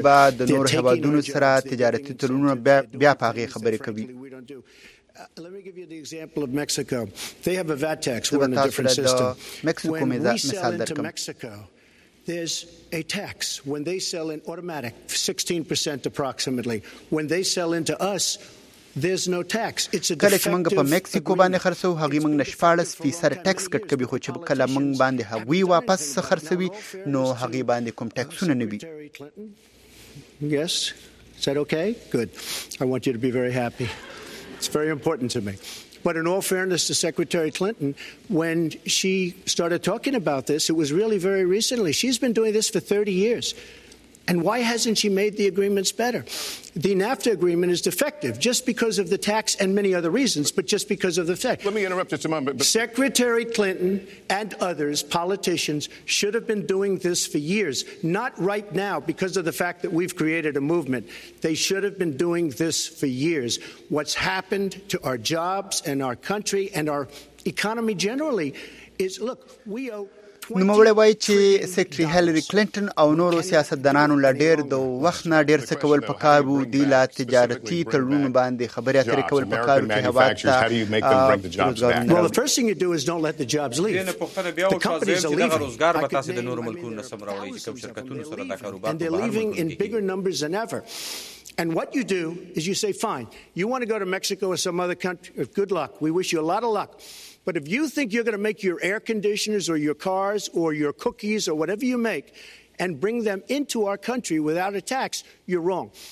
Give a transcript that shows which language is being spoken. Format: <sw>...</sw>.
<ps>به د نور هیوادونو سره تجارتي تړونونه بیا په هغې خبرې کوي.</ps> <en>Let me give you the example of Mexico. They have a VAT tax. We're in a different system. When we sell into Mexico, there's a tax. When they sell in automatic, 16% approximately. When they sell into us, there's no tax. It's a</en> <ps>کله چې موږ په مکسیکو باندې خرڅو هغه موږ نشفاړس فیصد ټکس کټ کبي خو چې کله موږ باندې هغه واپس خرڅوي نو هغه باندې کوم ټکسونه نه وي.</ps> <en>Yes, said okay, good. I want you to be very happy. It's very important to me. But in all fairness to Secretary Clinton, when she started talking about this, it was really very recently. She's been doing this for 30 years. And why hasn't she made the agreements better? The NAFTA agreement is defective just because of the tax and many other reasons, but just because of the fact. Let me interrupt just a moment. But Secretary Clinton and others, politicians, should have been doing this for years, not right now because of the fact that we've created a movement. They should have been doing this for years. What's happened to our jobs and our country and our economy generally is, look, we owe...</en> <ps>نوموړی وایي چې سیکرټري هیلری کلینټن او نورو سیاستدانانو له ډېر د وخت نه ډېر څه کول پکار وو. دوی له تجارتي تړونونو باندې خبرې اترې کول پکار وو چې هېواد ته</ps> <en>And they're leaving in bigger numbers than ever. And what you do is you say, fine, you want to go to Mexico or some other country, good luck. We wish you a lot of luck. But if you think you're going to make your air conditioners or your cars or your cookies or whatever you make and bring them into our country without a tax, you're wrong.</en>